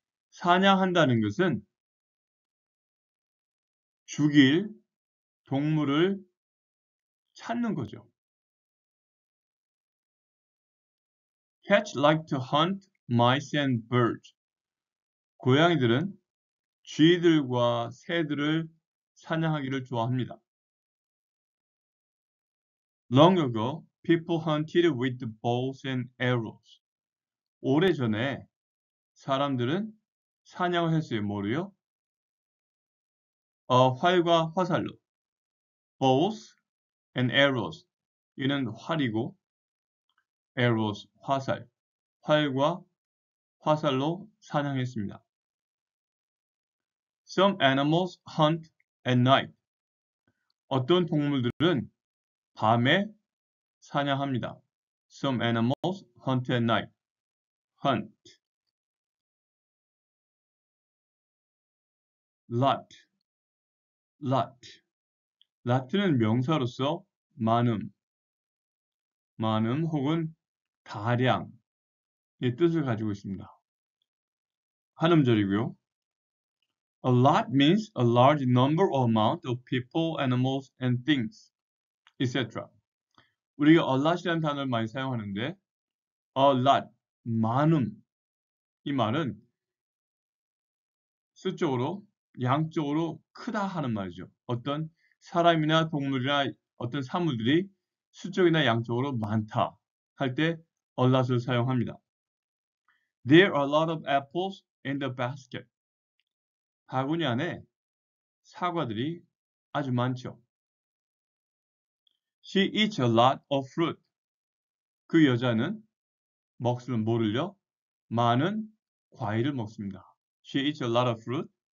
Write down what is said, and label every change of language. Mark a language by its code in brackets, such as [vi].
[ko] 사냥한다는 것은 죽일 동물을 찾는 거죠. [en] Cats like to hunt mice and birds. [ko] 고양이들은 쥐들과 새들을 사냥하기를 좋아합니다. [en] Long ago, people hunted with bows and arrows. [ko] 오래전에 사람들은 사냥을 했어요. 뭐로요? 활과 화살로. [en] Bows and arrows. [ko] 이는 활이고, [en] arrows, [ko] 화살. 활과 화살로 사냥했습니다. [en] Some animals hunt at night. [ko] 어떤 동물들은 밤에 사냥합니다. [en] Some animals hunt at night. Hunt. [ko] Lot. Lot. Lot는 명사로서 많음. 많음 혹은 다량의 뜻을 가지고 있습니다. 한 음절이고요. [en] A lot means a large number or amount of people, animals, and things, etc. [ko] 우리가 a lot이라는 단어를 많이 사용하는데 a lot, 많음 이 말은 수적으로, 양적으로 크다 하는 말이죠. 어떤 사람이나 동물이나 어떤 사물들이 수적이나 양적으로 많다 할 때 a lot을 사용합니다. [en] There are a lot of apples in the basket. [ko] 바구니 안에 사과들이 아주 많죠. [en] She eats a lot of fruit. [ko] 그 여자는 먹으면 뭐를요? 많은 과일을 먹습니다. [en] She eats a lot of fruit.